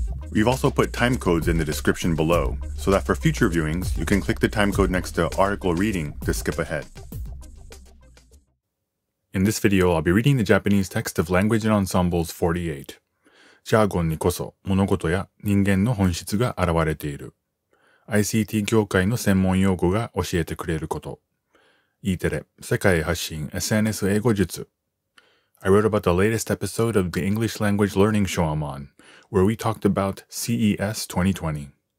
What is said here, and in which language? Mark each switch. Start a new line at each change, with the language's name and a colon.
English: We've also put time codes in the description below, so that for future viewings, you can click the time code next to article reading to skip ahead. In this video, I'll be reading the Japanese text of Language and Ensembles 48.
Japanese: Jargon にこそ物事や人間の本質が表れている。 ICT 業界の専門用語が教えてくれること。
English: E-Tele,
Japanese: 世界へ発信 SNS 英語術
English: I wrote about the latest episode of the English language learning show I'm on, where we talked about CES 2020.